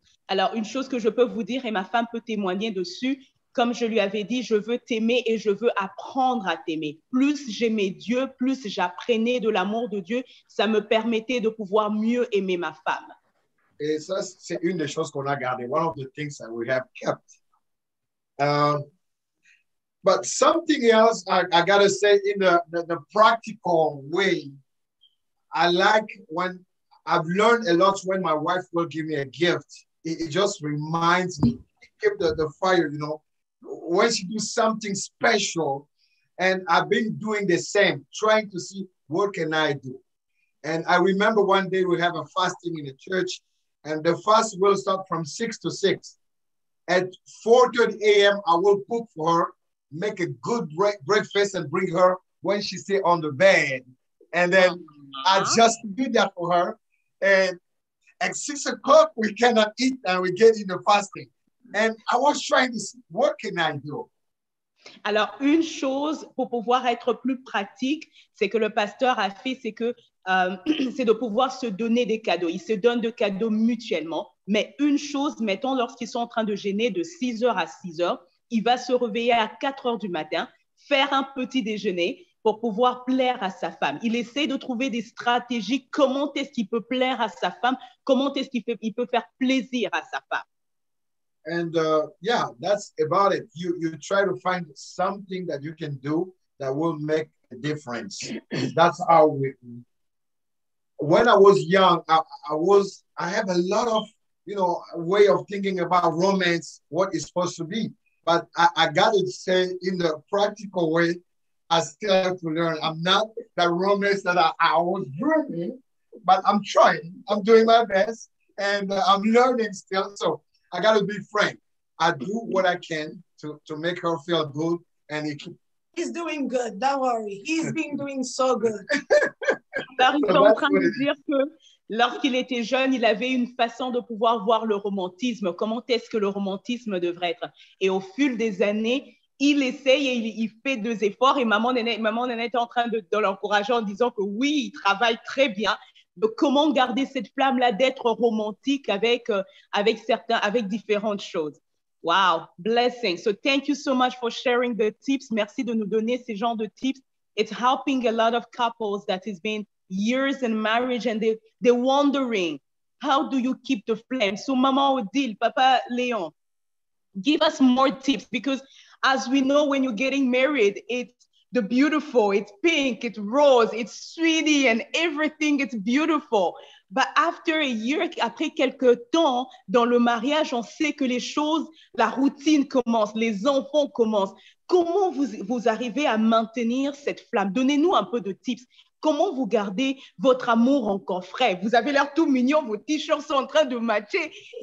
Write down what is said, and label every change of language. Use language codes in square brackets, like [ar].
[fr] Alors, une chose que je peux vous dire, et ma femme peut témoigner dessus, comme je lui avais dit, je veux t'aimer et je veux apprendre à t'aimer. Plus j'aimais Dieu, plus j'apprenais de l'amour de Dieu, ça me permettait de pouvoir mieux aimer ma femme. Et ça, c'est une des choses qu'on a gardées, [en] one of the things that we have kept. But something else I got to say in the practical way, I like when I've learned a lot when my wife will give me a gift. It just reminds me, keep the fire, you know. When she does something special, and I've been doing the same, trying to see what can I do. And I remember one day we have a fasting in the church, and the fast will start from 6 to 6. At 4:30 a.m., I will cook for her, make a good breakfast, and bring her when she stay on the bed. And then I just do that for her, and at 6 o'clock, we cannot eat and we get into fasting. And I was trying to see, what can I do? [fr] Alors, une chose pour pouvoir être plus pratique, c'est que le pasteur a fait, c'est que c'est de pouvoir se donner des cadeaux. Ils se donnent des cadeaux mutuellement. Mais une chose, mettons, lorsqu'ils sont en train de jeûner de 6h à 6h, il va se réveiller à 4h du matin, faire un petit déjeuner pour pouvoir plaire à sa femme. Il essaie de trouver des stratégies, comment est-ce qu'il peut plaire à sa femme, comment est-ce qu'il peut faire plaisir à sa femme. [en] And yeah, that's about it. You try to find something that you can do that will make a difference. That's how we... When I was young, I have a lot of, you know, way of thinking about romance, what it's supposed to be. But I got to say, in the practical way, I still have to learn. I'm not the romance that I was dreaming, but I'm trying. I'm doing my best, and I'm learning still. So I got to be frank. I do what I can to make her feel good. And he's doing good. Don't worry. He's been doing so good. [fr] Alors, ils sont en train de dire que lorsqu'il était jeune, il avait une façon de pouvoir voir le romantisme. Comment est-ce que le romantisme devrait être? Et au fil des années, il essaye et il fait deux efforts. Et maman Nénette est en train de l'encourager en disant que oui, il travaille très bien. Mais comment garder cette flamme-là d'être romantique avec différentes choses? [en] Wow, blessing. So thank you so much for sharing the tips. [fr] Merci de nous donner ces genres de tips. [en] It's helping a lot of couples that has been years in marriage and they're wondering, how do you keep the flame? So maman Odile, papa Léon, give us more tips because as we know, when you're getting married, it's the beautiful, it's pink, it's rose, it's sweetie and everything, it's beautiful. But after a year, [fr] après quelques temps, dans le mariage, on sait que les choses, la routine commence, les enfants commencent. Comment vous arrivez à maintenir cette flamme? Donnez-nous un peu de tips. comment vous gardez votre amour encore frais? Vous avez l'air tout mignon, vos t-shirts sont en train de matcher.